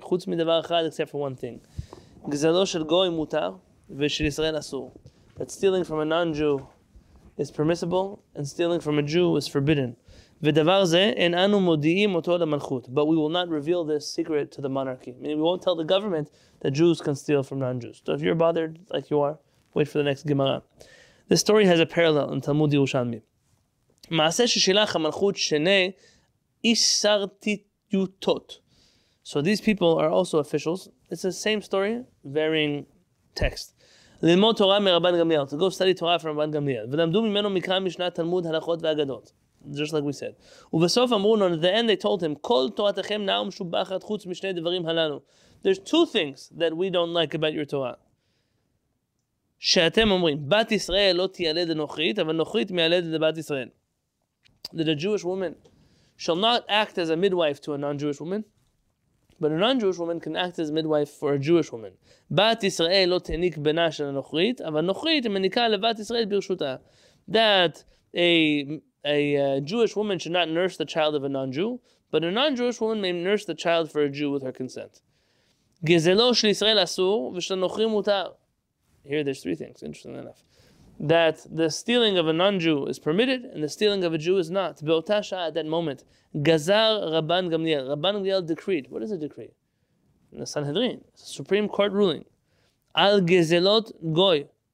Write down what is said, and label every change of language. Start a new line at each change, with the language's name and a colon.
Hebrew: חוץ מדבר אחד,
English: except for one thing.
Hebrew: גזלו של גוי מותר ושל ישראל אסור.
English: But stealing from a non-Jew is permissible and stealing from a Jew is forbidden.
Hebrew: ודבר זה אין אנו מודיעים אותו למלכות.
English: But we will not reveal this secret to the monarchy. Meaning we won't tell the government that Jews can steal from non-Jews. So if you're bothered like you are, wait for the next Gemara. This story has a parallel in Talmud Yerushalmi.
Hebrew: מעשה ששילח המלכות שני איש סרטיטיוטות.
English: So these people are also officials. It's the same story, varying text.
Hebrew: ללמוד תורה מרבן גמליאל.
English: To go study Torah from רבן גמליאל.
Hebrew: ולמדו ממנו מקרא משנה תלמוד הלכות ואגדות.
English: Just like we said.
Hebrew: ובסוף אמרו לו,
English: at the end they told him,
Hebrew: כל תורתכם נאום שובחת חוץ משני דברים הללו.
English: There's two things that we don't like about your Torah.
Hebrew: שאתם אומרים, בת ישראל לא תיילד נוכרית, אבל נוכרית מיילד לבת ישראל.
English: That a Jewish woman shall not act as a midwife to a non-Jewish woman, but a non-Jewish woman can act as a midwife for a Jewish woman.
Hebrew: בת ישראל לא תעניק בנה של הנוכרית, אבל נוכרית מניקה לבת ישראל ברשותה.
English: That a Jewish woman should not nurse the child of a non-Jew, but a non-Jewish woman may nurse the child for a Jew with her consent.
Hebrew: גזלו של ישראל אסור ושל הנוכרים מותר.
English: Here there's three things, interesting enough. That the stealing of a non-Jew is permitted and the stealing of a Jew is not.
Hebrew: Beota sha,
English: at that moment, Gazar Rabban Gamliel. Rabban Gamliel decreed. What is a decree? In the Sanhedrin. It's a Supreme Court ruling.
Hebrew: Al gezelot goy.